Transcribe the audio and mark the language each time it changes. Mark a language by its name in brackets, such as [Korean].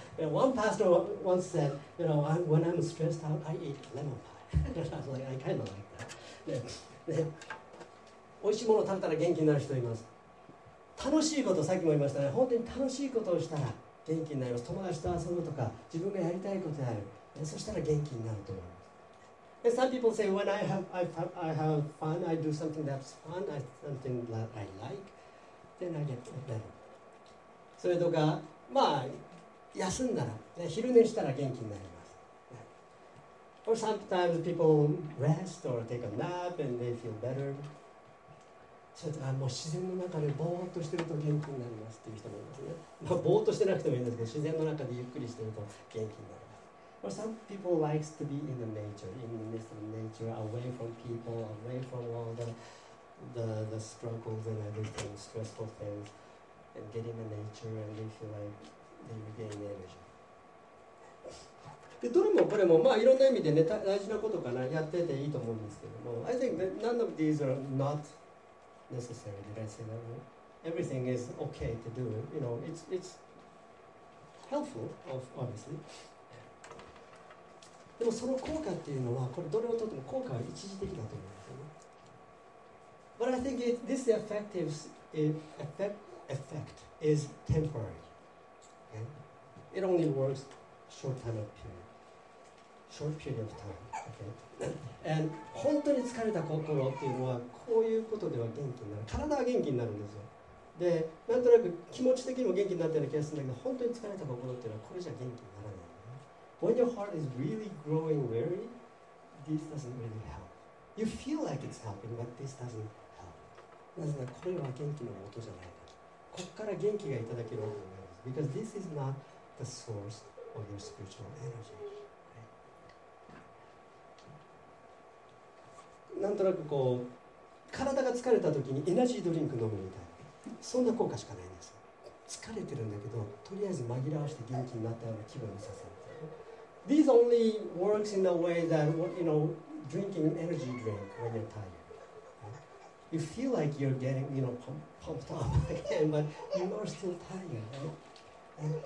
[English] One pastor once said, you know, when I'm stressed out, I eat lemon pie. I was like, I kind of like that. [Japanese] おいしいものを食べたら元気になる人います。楽しいこと、さっきも言いましたね、本当に楽しいことをしたら元気になります。友達と遊ぶとか、自分がやりたいことやる。そしたら元気になると思います。 [English] And some people say, when I have fun, I do something that's fun, something that I like, then I get better. [Japanese] それとか、まあ、休んだら、昼寝したら元気になります。 [English] Or sometimes people rest or take a nap and they feel better. [Japanese] それとか、もう自然の中でぼーっとしてると元気になりますっていう人もいますね。まあ、ぼーっとしてなくてもいいんですけど、自然の中でゆっくりしてると元気になります。 [English] Or some people likes to be in the nature, in the midst of nature, away from people, away from all the struggles and everything, stressful things, and get in the nature, and they feel like they regain the energy. [Japanese] でどれもこれも、まあ、いろんな意味で、ね、大事なことかな、やってていいと思うんですけども、 [English] I think that none of these are not necessary. Did I say that? Everything is okay to do. You know, it's helpful, obviously. [Japanese] でもその効果っていうのは、これどれをとっても効果は一時的だと思うんですよね。 [English] But I think this effect is temporary.、Okay? It only works short time of period. Short period of time. Okay. [Japanese] And 本当に疲れた心っていうのはこういうことでは元気になる。体は元気になるんですよ。で、なんとなく気持ち的にも元気になったような気がするんだけど、本当に疲れた心っていうのはこれじゃ元気にならない。 [English] When your heart is really growing weary, this doesn't really help. You feel like it's helping, but this doesn't help. [Japanese] なぜならこれは元気の元じゃない。ここから元気がいただける音です。 [English] Because this is not the source of your spiritual energy. [Japanese] なんとなくこう体が疲れた時にエナジードリンク飲むみたいな、そんな効果しかないんですよ。疲れてるんだけど、とりあえず紛らわして元気になったような気分にさせる。 [English] This only works in a way that you know, drinking energy drink when you're tired. You feel like you're getting, you know, pumped up again, but you are still tired, right?